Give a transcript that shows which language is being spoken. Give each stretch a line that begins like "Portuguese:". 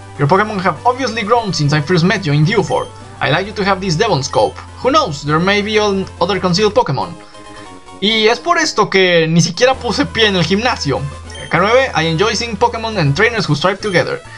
English: Your Pokémon have obviously grown since I first met you in Dewford. I'd like you to have this Devonscope. Who knows, there may be other concealed Pokémon.
Spanish: Y es por esto que ni siquiera puse pie en el gimnasio.
English: K9, I enjoy seeing Pokémon and trainers who strive together.